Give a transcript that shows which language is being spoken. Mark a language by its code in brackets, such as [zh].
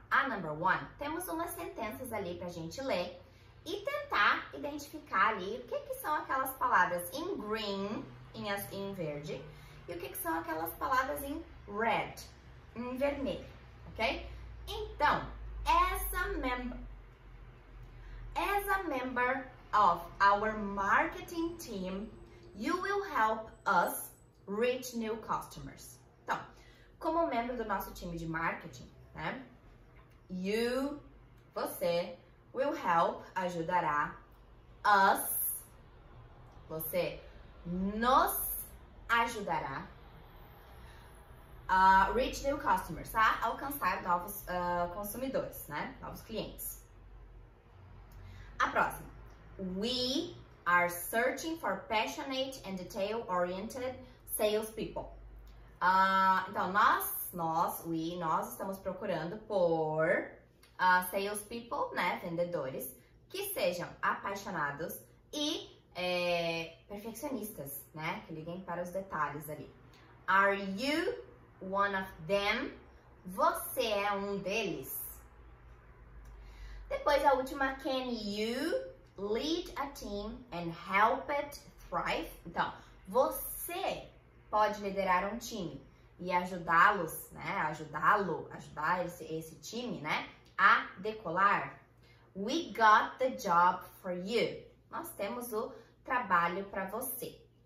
[pt] A [en] number one, [pt] temos umas sentenças ali pra gente ler e tentar identificar ali o que que são aquelas palavras em green, em verde, e o que que são aquelas palavras em red, em vermelho, ok? [en] Então, as a member of our marketing team, you will help us reach new customers. [pt] Então, como membro do nosso time de marketing, né? Você [en] will help, [pt] ajudará [en] us, [pt] você nos ajudará a [en] reach new customers, [pt] a alcançar novos consumidores, né? Novos clientes. A próxima. [en] We are searching for passionate and detail-oriented salespeople. [pt] Então, nós estamos procurando por salespeople, né? Vendedores que sejam apaixonados e perfeccionistas, né? Que liguem para os detalhes ali. [en] Are you one of them? [pt] Você é um deles? Depois, a última. [en] Can you lead a team and help it thrive? [pt] Então, você pode liderar um time e ajudá-los, né? Ajudar esse time, né? A decolar. [en] We got the job for you. [pt] Nós temos o trabalho para você.